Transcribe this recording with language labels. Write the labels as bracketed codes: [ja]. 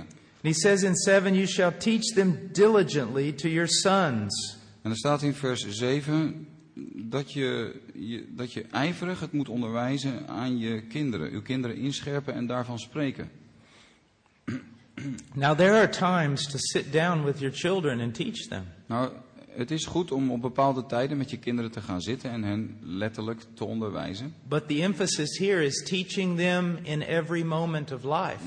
[en] And he says in 7, you shall teach them diligently to your sons. [nl] En er staat in vers 7 dat je ijverig het moet onderwijzen aan je kinderen, uw kinderen inscherpen en daarvan spreken. [en] Now there are times to sit down with your children and teach them. [nl] Nou, het is goed om op bepaalde tijden met je kinderen te gaan zitten en hen letterlijk te onderwijzen. [en] But the emphasis here is teaching them in every moment of life.